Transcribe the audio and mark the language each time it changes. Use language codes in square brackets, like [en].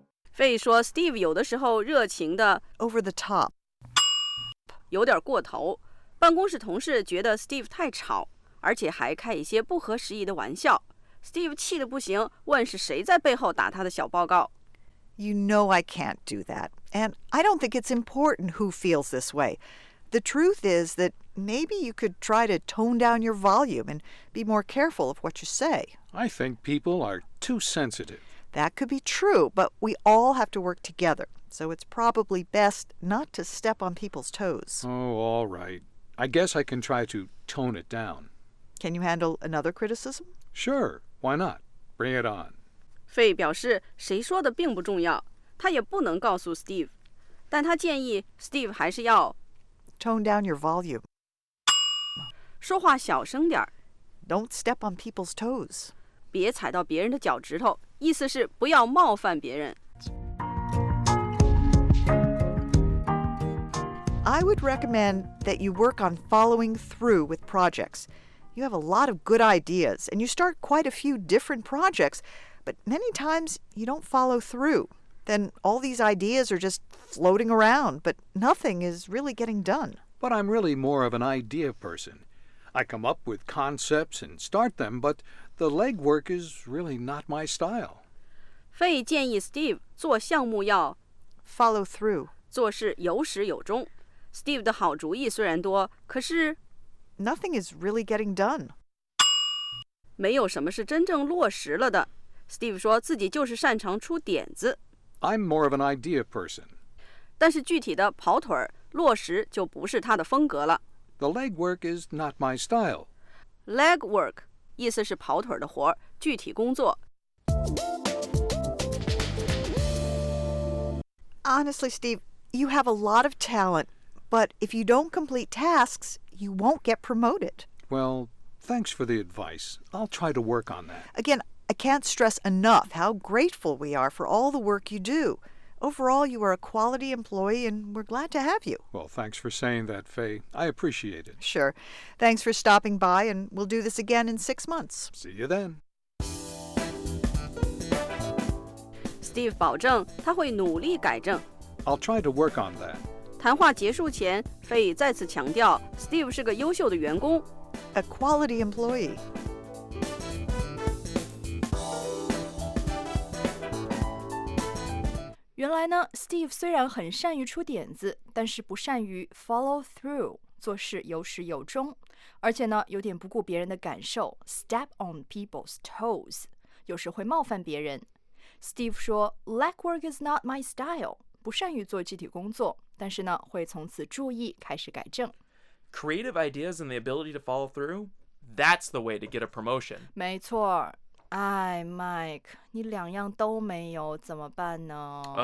[zh] 费说 Steve 有的时候热情的 [en] over the top [zh] 有点过头，办公室同事觉得 Steve 太吵，而且还开一些不合时宜的玩笑。 Steve 气得不行，问是谁在背后打他的小报告。 [en] You know I can't do that, and I don't think it's important who feels this way. The truth is that maybe you could try to tone down your volume and be more careful of what you say. I think people are too sensitive. That could be true, but we all have to work together, so it's probably best not to step on people's toes. Oh, all right. I guess I can try to tone it down. Can you handle another criticism? Sure, why not? Bring it on. [zh] 费表示谁说的并不重要，他也不能告诉 Steve, 但他建议 Steve 还是要 [en] tone down your volume. [zh] 说话小声点。 [en] Don't step on people's toes. [zh] 别踩到别人的脚趾头，意思是不要冒犯别人。 [en] I would recommend that you work on following through with projects. You have a lot of good ideas, and you start quite a few different projects, but many times you don't follow through. Then all these ideas are just floating around, but nothing is really getting done. But I'm really more of an idea person. I come up with concepts and start them, but... The legwork is really not my style. [zh] 费建议 Steve 做项目要 [en] follow through, [zh] 做事有始有终。 Steve 的好主意虽然多，可是 [en] Nothing is really getting done. [zh] 没有什么是真正落实了的。Steve 说自己就是擅长出点子。 [en] I'm more of an idea person. [zh] 但是具体的跑腿儿落实就不是他的风格了。 [en] The legwork is not my style. [zh] Legwork 意思是跑腿的活，具体工作。 [en] Honestly, Steve, you have a lot of talent, but if you don't complete tasks, you won't get promoted. Well, thanks for the advice. I'll try to work on that. Again, I can't stress enough how grateful we are for all the work you do. Overall, you are a quality employee, and we're glad to have you. Well, thanks for saying that, Faye. I appreciate it. Sure. Thanks for stopping by, and we'll do this again in 6 months. See you then. [zh] Steve 保证他会努力改正。 [en] I'll try to work on that. [zh] 谈话结束前，菲再次强调 Steve 是个优秀的员工。 [en] A quality employee. [zh] 原来呢 ，Steve 虽然很善于出点子，但是不善于 [en] follow through， [zh] 做事有始有终，而且呢，有点不顾别人的感受 ， [en] step on people's toes， [zh] 有时会冒犯别人。 Steve 说 , [en] legwork is not my style, [zh] 不善于做具体工作,但是呢,会从此注意,开始改正。 [en] Creative ideas and the ability to follow through? That's the way to get a promotion. [zh] 没错。哎 ,Mike, 你两样都没有,怎么办呢?